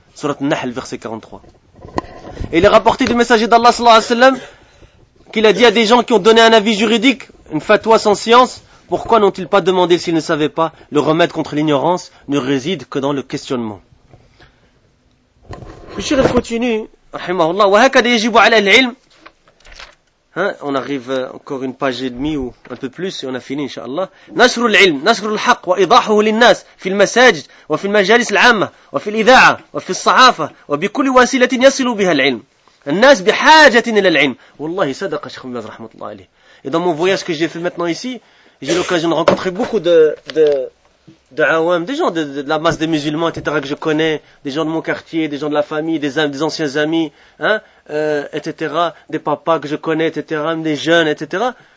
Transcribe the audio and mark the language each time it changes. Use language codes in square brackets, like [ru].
[fr] Surat Nahl, verset 43. Et il est rapporté du messager d'Allah, sallallahu alayhi wa sallam, qu'il a dit à des gens qui ont donné un avis juridique, une fatwa sans science, pourquoi n'ont-ils pas demandé s'ils ne savaient pas? Le remède contre l'ignorance ne réside que dans le questionnement. Le shir continue, rahimahullah, [ar] wa hakad yajibu ala al-ilm. [fr] Hein, on arrive encore une page et demie ou un peu plus et on a fini, inshallah. [ar] نشر العلم نشر الحق وإيضاحه للناس في المساجد وفي المجالس العامة وفي الإذاعة وفي الصحافة وبكل وسيلة يصل بها العلم. الناس بحاجة إلى العلم. والله صدق شيخ مباز رحمة الله عليه. [fr] Et dans mon voyage que j'ai fait maintenant ici, j'ai l'occasion de rencontrer beaucoup de awam, des gens de la masse des musulmans, etc., que je connais, des gens de mon quartier, des gens de la famille, des anciens amis, hein, etc., des papas que je connais, etc., des jeunes, etc.